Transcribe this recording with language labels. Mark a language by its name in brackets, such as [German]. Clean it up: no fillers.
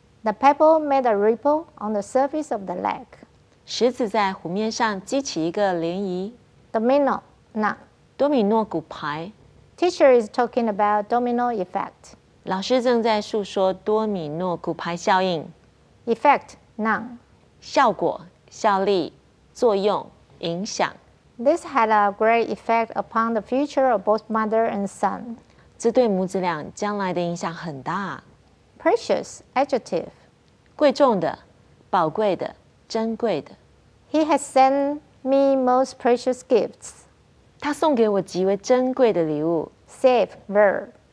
[English] The pebble made a ripple on the surface of the lake [Chinese] 石子在湖面上激起一个涟漪 [English] Domino noun [Chinese] 多米诺骨牌 [English] Teacher is talking about domino effect [Chinese] 老师正在述说多米诺骨牌效应 [English] Effect noun [Chinese] 效果、效力、作用、影响。 [English] This had a great effect upon the future of both mother and son. [Chinese] 这对母子俩将来的影响很大。 [English] Precious, adjective. [Chinese] 贵重的、宝贵的、珍贵的。 [English] He has sent me most precious gifts. [Chinese] 他送给我极为珍贵的礼物。 [English] Save, verb.